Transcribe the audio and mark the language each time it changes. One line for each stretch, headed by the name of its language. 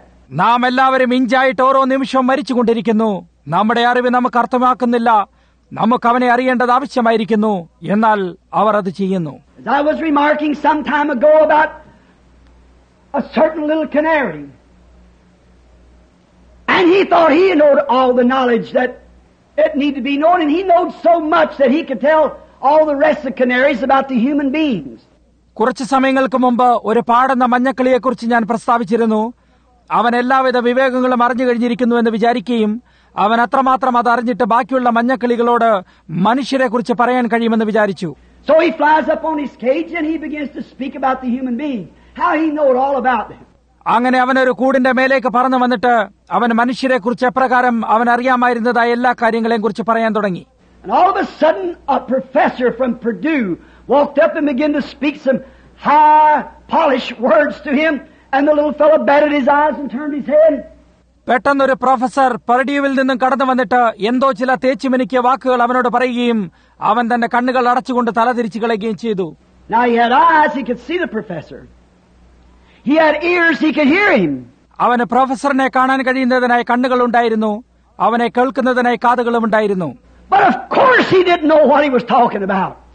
Malayalam: നാം എല്ലാവരും ഇഞ്ചായിട്ട് ഓരോ നിമിഷവും മരിച്ചുകൊണ്ടിരിക്കുന്നു. നമ്മുടെ അറിവ് നമുക്ക് അർത്ഥമാക്കുന്നില്ല. നമുക്ക് അവനെ അറിയേണ്ടത് ആവശ്യമായിരിക്കുന്നു. എന്നാൽ അവർ അത് ചെയ്യുന്നു.
English: As I was remarking some time ago about a certain little canary, and he thought he knew all the knowledge that it needed to be known, and he knew so much that he could tell all the rest of the canaries about the human beings.
Malayalam: കുറച്ച് സമയങ്ങൾക്ക് മുമ്പ് ഒരു പാടുന്ന മഞ്ഞക്കിളിയെക്കുറിച്ച് ഞാൻ പ്രസ്താവിച്ചിരുന്നു. അവൻ എല്ലാവിധ വിവേകങ്ങളും അറിഞ്ഞു കഴിഞ്ഞിരിക്കുന്നു എന്ന് വിചാരിക്കുകയും അവൻ അത്രമാത്രം അത് അറിഞ്ഞിട്ട് ബാക്കിയുള്ള മഞ്ഞക്കിളികളോട് മനുഷ്യരെ കുറിച്ച് പറയാൻ കഴിയുമെന്ന് വിചാരിച്ചു.
English: So he flies up on his cage and he begins to speak about the human being, how he knows all about them.
Malayalam: അങ്ങനെ അവനൊരു കൂടിന്റെ മേലേക്ക് പറന്നു വന്നിട്ട് അവൻ മനുഷ്യരെ കുറിച്ച് എപ്രകാരം അവൻ അറിയാമായിരുന്നതായ എല്ലാ കാര്യങ്ങളെയും കുറിച്ച് പറയാൻ തുടങ്ങി.
English: And all of a sudden a professor from Purdue walked up and began to speak some high polished words to him, and the little fellow batted his eyes and turned his head.
Malayalam: പെട്ടെന്ന് ഒരു professor പർഡ്യൂവിൽ നിന്നും കടന്നു വന്നിട്ട് എന്തോ ചില തേച്ചു മിനുക്കിയ വാക്കുകൾ അവനോട് പറയുകയും അവൻ തന്റെ കണ്ണുകൾ അടച്ചുകൊണ്ട് തല തിരിച്ചു കളയുകയും ചെയ്തു.
English: Now he had eyes, he could see the professor. He had ears, he could hear him.
Malayalam: അവന് പ്രൊഫസറിനെ കാണാൻ കഴിയുന്നതിനായി കണ്ണുകൾ ഉണ്ടായിരുന്നു, അവനെ കേൾക്കുന്നതിനായി കാതുകളും ഉണ്ടായിരുന്നു.
English: But of course he didn't know what he was talking about.